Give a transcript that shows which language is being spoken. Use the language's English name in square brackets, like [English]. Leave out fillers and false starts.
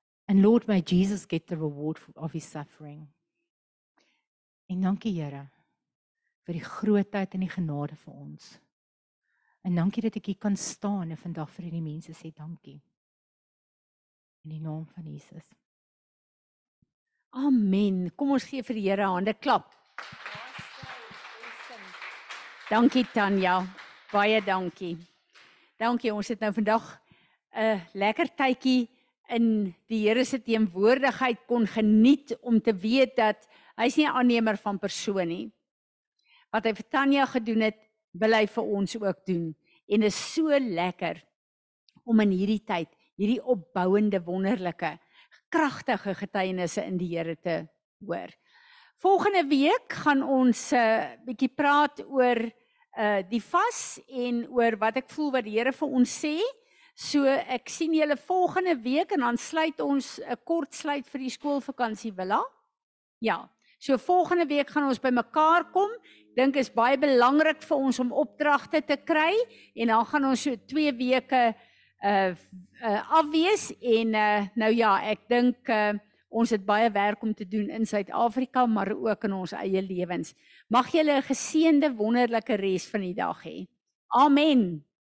[English] And Lord, may Jesus get the reward of His suffering. [Afrikaans] En dankie Here vir die grootheid en die genade vir ons. En dankie dat ek hier kan staan en vandag vir hierdie mense sê dankie. In die naam van Jesus. Amen. Kom ons gee vir die Here hande klap. Dankie Tanya. Baie dankie. Dankie, ons het nou vandag 'n lekker tydjie in die Here se teenwoordigheid kon geniet om te weet dat Hy is nie 'n aannemer van persoon nie. Wat Hy vir Tanya gedoen het, wil Hy vir ons ook doen. En is so lekker om in hierdie tyd, hierdie opbouende, wonderlike, kragtige getuienisse in die Here te hoor. Volgende week gaan ons 'n bietjie praat oor die vas en oor wat ek voel wat die Here vir ons sê. So ek sien julle volgende week en dan sluit ons 'n kort sluit vir die skoolvakansie villa. Ja. So volgende week gaan ons by mekaar kom. Dink is baie belangrik vir ons om opdragte te kry en dan gaan ons so 2 weke afwees en nou ja, ek dink ons het baie werk om te doen in Suid-Afrika, maar ook in ons eie lewens. Mag julle 'n geseënde, wonderlike res van die dag hê. Amen.